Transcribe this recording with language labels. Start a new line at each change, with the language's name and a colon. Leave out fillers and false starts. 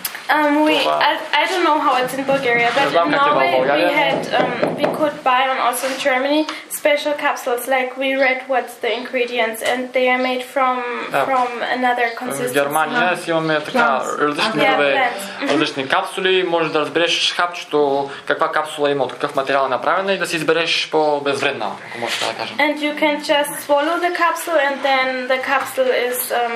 English: I don't know how it's in Bulgaria, but in Norway we could buy on also in Germany special capsules, like we read what's the ingredients and they are made from another consistency.
Bulgarian: В Германия си имаме така различни видове, различни капсули, можеш да разбереш хапчето, каква капсула има, от какъв материал е направена и да си избереш по-безвредна, ако може да кажем.
English: And you can just swallow the capsule and then the capsule is